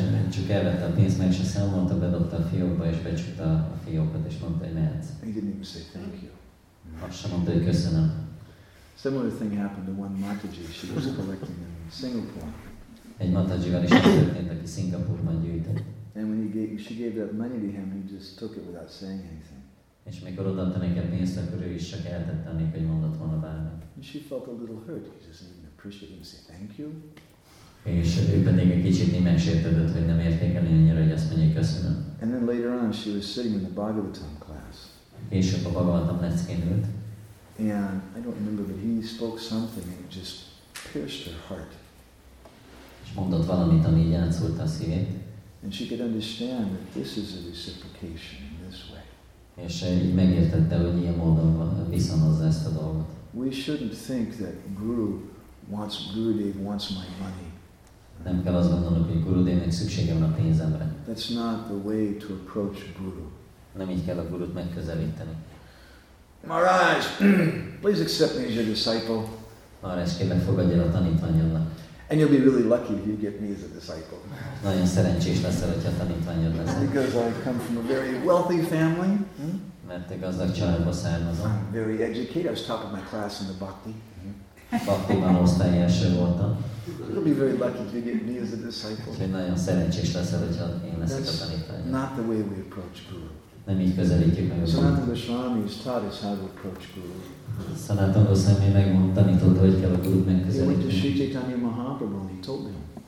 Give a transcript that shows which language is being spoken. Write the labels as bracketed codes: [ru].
[hu] Csak elvette a pénzt, meg se számolta, bedobta a fiókba, és becsukta a fiókat, és mondta, hogy mehetsz. [en] He didn't even say thank you. [hu] Azt sem mondta, hogy köszönöm. [en] Similar thing happened to one Mataji, she was collecting in Singapore. [hu] Egy Matajival is történt, aki Szingapúrban gyűjtött. [en] And when she gave that money to him, he just took it without saying anything. [hu] És mikor odaadta neki a pénzt, akkor ő is csak eltette, amikor mondott volna bármit. [en] And she felt a little hurt. He just didn't appreciate it and say thank you. [hu] És ő pedig egy kicsit megsértődött, hogy nem értékeli annyira, hogy azt mondja, köszönöm. [en] And then later on, she was sitting in the Bhagavatam class. [hu] Később a Bhagavatam leckén ült. [en] And I don't remember, but he spoke something and it just pierced her heart. [hu] És mondott valamit, ami így átszúrta a szívét. [en] And she could understand that this is a reciprocation in this way. [hu] És így megértette, hogy ilyen módon viszonozza ezt a dolgot. [en] We shouldn't think that Gurudev wants my money. [hu] Nem kell azt gondolnunk, hogy Gurudevnek szüksége van a pénzemre. [en] That's not the way to approach Guru. [hu] Nem így kell a Gurut megközelíteni. [en] Maharaj, please accept me as your disciple. [hu] Maharaj, kérlek, fogadjál a tanítványodnak. [en] And you'll be really lucky if you get me as a disciple. [hu] Nagyon szerencsés leszel, hogyha tanítványod leszel. [en] Because I come from a very wealthy family. [hu] Mert egy gazdag családból származom. [en] I'm very educated. I was top of my class in the bhakti. [hu] Bhaktiban osztály első voltam. [en] You'll be very lucky if you get me as a disciple. [hu] Úgyhogy nagyon szerencsés leszel, hogyha én leszek a tanítványod. [en] Not the way we approach Guru. [hu] Nem így közelítjük meg a Guru. [en] Sanatana Goswami has taught us how to approach Guru. [hu] Sanatana Goswami tanított, hogy kell a Gurut megközelíteni. [en] He went to Sri Chaitanya Mahaprabhu and he told him.